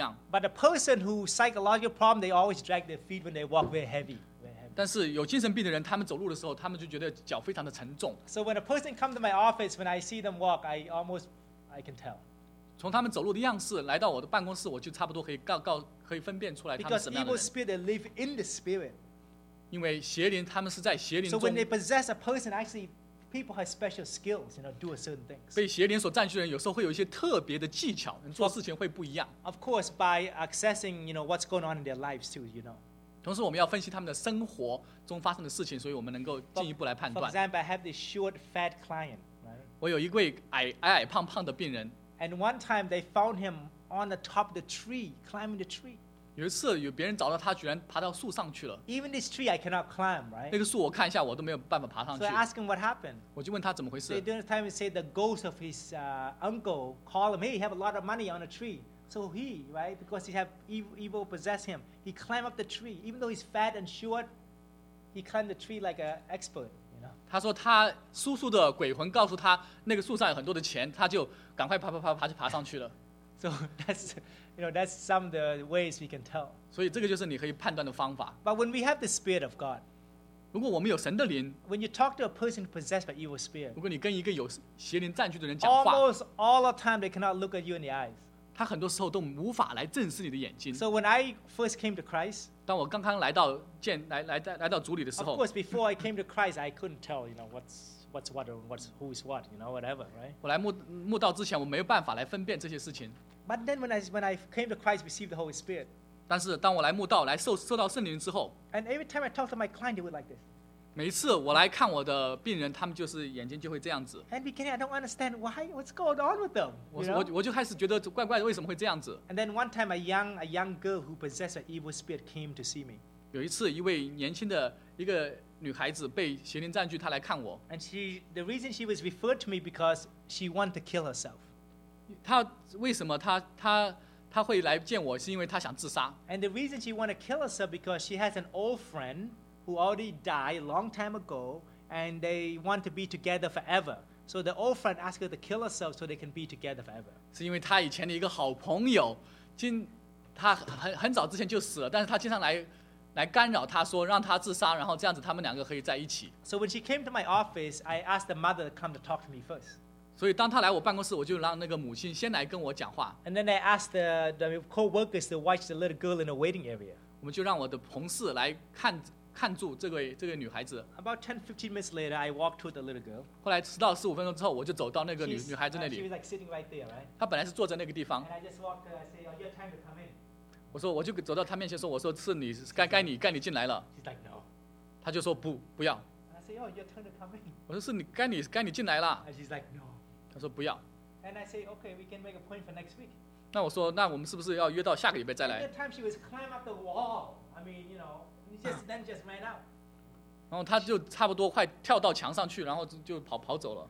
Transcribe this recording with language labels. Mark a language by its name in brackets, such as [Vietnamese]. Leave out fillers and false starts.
[English] But a person who has psychological problem, they always drag their feet when they walk very heavy. [Chinese] 但是有精神病的人，他们走路的时候，他们就觉得脚非常的沉重。 [English] So when a person comes to my office, when I see them walk, I can tell. [Chinese] 从他们走路的样式来到我的办公室，我就差不多可以分辨出来他们是什么样的人。 [English] Because evil spirit they live in the spirit. [Chinese] 因为邪灵，他们是在邪灵中。 [English] So when they possess a person, actually, people have special skills, you know, do a certain things. [Chinese] 被邪灵所占据的人，有时候会有一些特别的技巧，做事情会不一样。 [English] Of course, by accessing, you know, what's going on in their lives too, you know. [Chinese] 同时，我们要分析他们的生活中发生的事情，所以我们能够进一步来判断。 [English] For example, I have this short, fat client, right? [Chinese] 我有一位矮矮胖胖的病人。 [English] And one time, they found him on the top of the tree, climbing the tree. [Chinese] 有一次有别人找到他居然爬到树上去了。 [English] Even this tree I cannot climb, right? [Chinese] 那个树我看一下我都没有办法爬上去。 [English] So I ask him what happened. [Chinese] 我就问他怎么回事。 [English] So during the time he said the ghost of his uncle called him, hey, he have a lot of money on a tree. So he, right, because he have evil possess him, he climb up the tree. Even though he's fat and short, he climb the tree like an expert, you know? [Chinese] 他说他叔叔的鬼魂告诉他那个树上有很多的钱他就赶快爬爬爬爬就爬上去了。 [English] So that's, you know, that's some of the ways we can tell. [Chinese] 所以这个就是你可以判断的方法。 [English] But when we have the spirit of God, [Chinese] 如果我们有神的灵 [English] when you talk to a person possessed by evil spirit, [Chinese] 如果你跟一个有邪灵占据的人讲话 [English] almost all the time they cannot look at you in the eyes. [Chinese] 他很多时候都无法来正视你的眼睛。 [English] So when I first came to Christ, [Chinese] 当我刚刚来到主里的时候 [English] of course before I came to Christ, I couldn't tell, you know, what's what's what, what's who is what, you know, whatever, right? [Chinese] 我来慕道之前，我没有办法来分辨这些事情。 [English] But then when I came to Christ, received the Holy Spirit. [Chinese] 但是当我来慕道，来受到圣灵之后。 [English] And every time I talk to my client, they would like this. [Chinese] 每一次我来看我的病人，他们就是眼睛就会这样子。 [English] And beginning, I don't understand why, what's going on with them. [Chinese] 我就开始觉得怪怪的，为什么会这样子 [English] ？And then one time, a young girl who possessed an evil spirit came to see me. [Chinese] 有一次，一位年轻的一个。女孩子被邪灵占据，她来看我。 [English] And the reason she was referred to me because she wanted to kill herself. [Chinese] 她为什么她会来见我，是因为她想自杀。 [English] And the reason she wanted to kill herself because she has an old friend who already died a long time ago, and they want to be together forever. So the old friend asked her to kill herself so they can be together forever. [Chinese] 是因为她以前的一个好朋友，她很早之前就死了，但是她经常来。来干扰他说让他自杀然后这样子他们两个可以在一起 [English] So when she came to my office I asked the mother to come to talk to me first [Chinese] 所以当他来我办公室我就让那个母亲先来跟我讲话 [English] And then I asked the co-workers to watch the little girl in the waiting area [Chinese] 我们就让我的同事来看住这个女孩子 [English] About 10-15 minutes later I walked toward the little girl [Chinese] 后来迟到15分钟之后我就走到那个女孩子那里 [English] She was like sitting right there right [Chinese] 她本来是坐在那个地方 [English] And I just walked and I said oh, you have time to come in [Chinese] 我说，我就走到他面前说，我说是你，该你进来了。 [English] She's like no. [Chinese] 他就说不，不要。 [English] I say, oh, your turn to come in. [Chinese] 我说是你，该你进来了。 [English] And she's like no. [Chinese] 他说不要。 [English] And I say, okay, we can make a point for next week. [Chinese] 那我说，那我们是不是要约到下个礼拜再来 [English] ？That time she was climb up the wall. I mean, you know, then just ran out. [Chinese] 然后他就差不多快跳到墙上去，然后就跑走了。